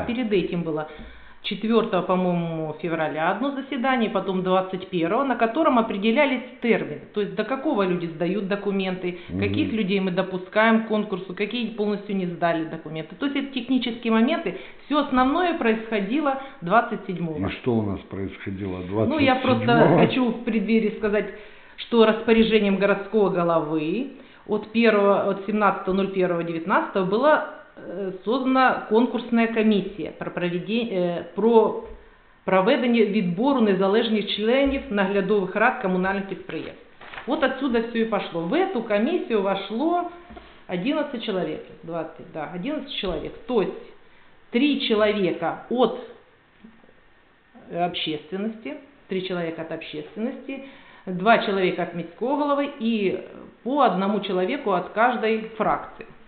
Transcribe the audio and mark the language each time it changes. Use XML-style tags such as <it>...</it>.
<ru>А перед этим было 4, по-моему, февраля одно заседание, потом 21, на котором определялись термины, то есть до какого люди сдают документы, каких людей мы допускаем к конкурсу, какие полностью не сдали документы. То есть это технические моменты, все основное происходило 27-го. А что у нас происходило 27-го? Ну, я просто хочу в преддверии сказать, что распоряжением городского головы от 17.01.19 было... создана конкурсная комиссия про проведение</ru> <uk>відбору незалежних членів наглядових рад комунальних підприємств.</uk> <ru>Вот отсюда все и пошло. В эту комиссию вошло 11 человек. 20, да, 11 человек. То есть 3 человека от общественности, 3 человека от общественности, 2 человека от</ru> <uk>міського голови</uk> <ru>и по одному человеку от каждой фракции.</ru>